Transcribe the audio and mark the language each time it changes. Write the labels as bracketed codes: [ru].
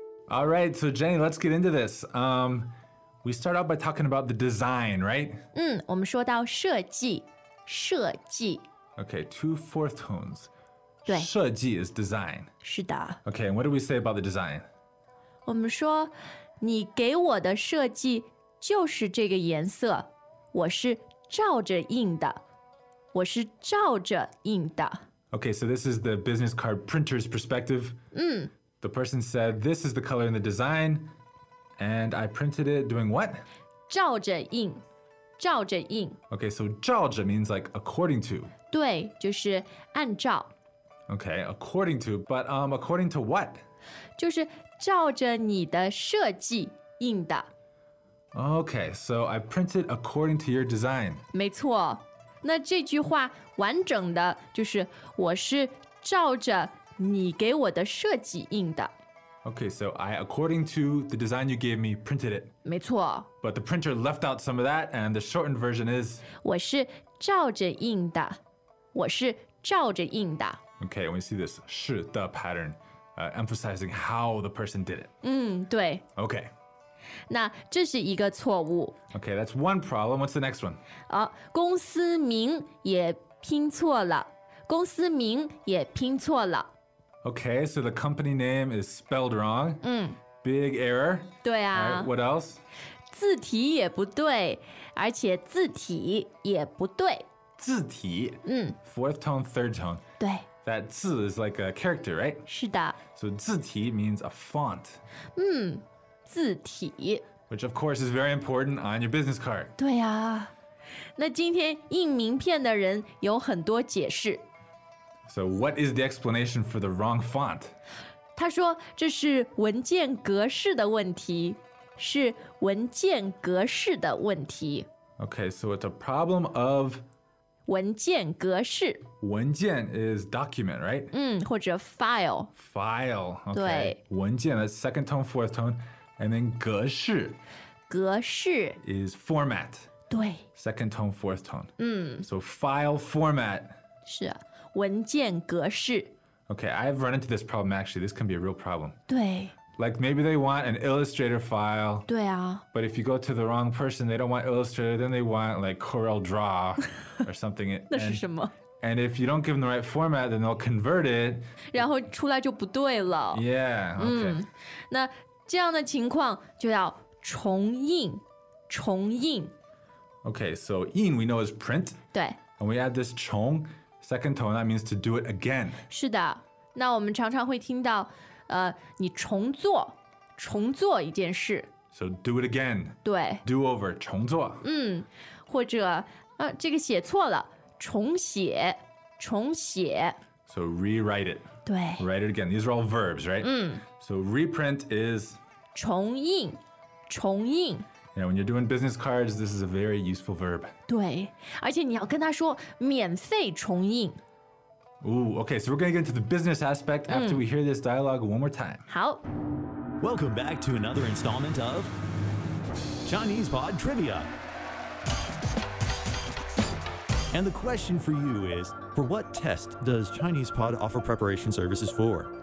[en] All right, so Jenny, let's get into this. We start out by talking about the design, right? [zh] 我们说到设计，设计。 [en] Okay, two fourth tones. 设计 is design. [zh] 是的。 [en] Okay, and what do we say about the design? [zh] 我们说你给我的设计就是这个颜色，我是照着印的，我是照着印的。 [en] Okay, so this is the business card printer's perspective. The person said, this is the color in the design, and I printed it doing what? [zh] 照着印，照着印。 [en] Okay, so 照着 means like according to. [zh] 对，就是按照。 [en] Okay, according to, but according to what? [zh] 就是照着你的设计印的。 [en] Okay, so I printed according to your design. [zh] 没错，那这句话完整的就是我是照着你给我的设计印的。 [en] Okay, so I, according to the design you gave me, printed it. [zh] 没错。 [en] But the printer left out some of that, and the shortened version is... [zh] 我是照着印的，我是照着印的。 [en] Okay, when you see this 是的 pattern, emphasizing how the person did it. [zh] 对。 [en] Okay. [zh] 那这是一个错误。 [en] Okay, that's one problem. What's the next one? [zh] 公司名也拼错了。公司名也拼错了。 [en] Okay, so the company name is spelled wrong. Big error. [zh] 对啊。 [en] Right, what else? [zh] 字体也不对，而且字体也不对。 [en] 字体。Fourth tone, third tone. [zh] 对。 [en] That 字 is like a character, right? [zh] 是的。 [en] So 字体 means a font. [zh] 字体。 [en] Which of course is very important on your business card. [zh] 对啊。那今天印名片的人有很多解释。 [en] So what is the explanation for the wrong font? [zh] 他说这是文件格式的问题。是文件格式的问题。 [en] Okay, so it's a problem of... [zh] 文件格式。 [en] 文件 is document, right? [zh] 或者 file. [en] File, okay. 对。文件 is second tone, fourth tone, and then 格式。 [zh] 格式。 [en] Is format. [zh] 对。 [en] Second tone, fourth tone. So file format. [zh] 是啊,文件格式。 [en] Okay, I've run into this problem actually. This can be a real problem. [zh] 对。 [en] Like maybe they want an Illustrator file. [zh] 对啊。 [en] But if you go to the wrong person, they don't want Illustrator, then they want like Corel Draw or something. [zh] 那是什么? [en] And if you don't give them the right format, then they'll convert it. [zh] 然后出来就不对了。 [en] Yeah, okay. [zh] 那这样的情况就要重印,重印。 [en] Okay, so 印 we know is print. [zh] 对。 [en] And we add this 重, second tone, that means to do it again. [zh] 是的。那我们常常会听到你重做，重做一件事。 [en] So do it again. [zh] 对。 [en] Do over, 重做。 [zh] 嗯，或者，这个写错了，重写，重写。 [en] So rewrite it. [zh] 对。 [en] Write it again. These are all verbs, right? 嗯。 So reprint is... [zh] 重印，重印。 [en] Yeah, when you're doing business cards, this is a very useful verb. [zh] 对，而且你要跟他说免费重印。 [en] Ooh, okay, so we're going to get into the business aspect after we hear this dialogue one more time. [zh] 好。 [en] Welcome back to another installment of Chinese Pod Trivia. And the question for you is, for what test does Chinese Pod offer preparation services for?